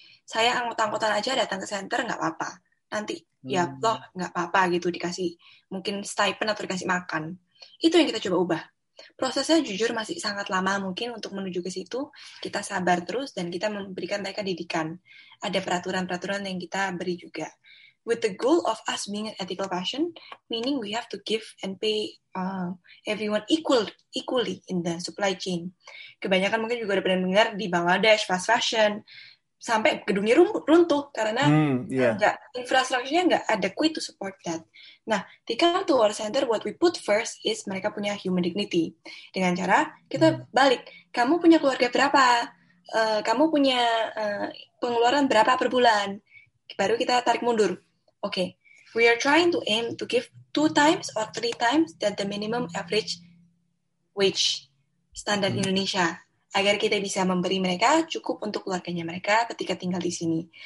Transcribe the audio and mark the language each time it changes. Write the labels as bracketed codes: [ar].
[id] Saya angkut-angkutan aja datang ke center nggak apa-apa. Nanti ya loh nggak apa-apa gitu dikasih mungkin stipend atau dikasih makan. Itu yang kita coba ubah. Prosesnya jujur masih sangat lama mungkin untuk menuju ke situ. Kita sabar terus dan kita memberikan mereka didikan. Ada peraturan-peraturan yang kita beri juga. [en] With the goal of us being an ethical fashion, meaning we have to give and pay everyone equally in the supply chain. [id] Kebanyakan mungkin juga udah pernah dengar di Bangladesh, fast fashion, sampai gedungnya runtuh karena enggak, infrastrukturnya nggak [en] adequate to support that. [id] Nah, di [en] come to our center, what we put first is [id] mereka punya [en] human dignity. [id] Dengan cara kita balik, kamu punya keluarga berapa? Kamu punya pengeluaran berapa per bulan? Baru kita tarik mundur. [en] Okay, we are trying to aim to give 2 times or 3 times that the minimum average wage standard Indonesia, [id] agar kita bisa memberi mereka cukup untuk keluarganya mereka ketika tinggal di sini.